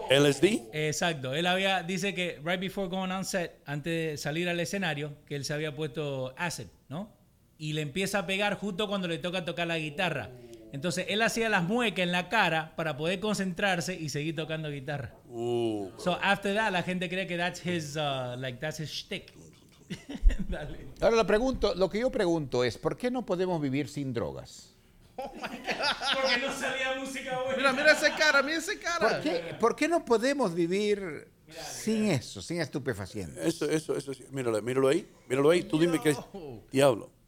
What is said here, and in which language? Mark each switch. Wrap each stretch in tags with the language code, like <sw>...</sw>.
<es>Oh. ¿LSD? Exacto. Él había, dice que</es> <en>right before going on set,</en> <es>antes de salir al escenario, que él se había puesto acid, ¿no? Y le empieza a pegar justo cuando le toca tocar la guitarra. Entonces, él hacía las muecas en la cara para poder concentrarse y seguir tocando guitarra.</es> <en>So, after that,</en> <es>la gente cree que</es> <en>that's his, like, that's his shtick.</en> <es>Dale. Ahora, lo pregunto, lo que yo pregunto es, ¿por qué no podemos vivir sin drogas?</es> <en>Oh, my God.</en> <es>Porque no salía música buena. Mira, mira esa cara, mira esa cara. ¿Por qué no podemos vivir sin eso, sin estupefacientes? Eso, sí. Míralo ahí. Tú dime qué es. Diablo.</es>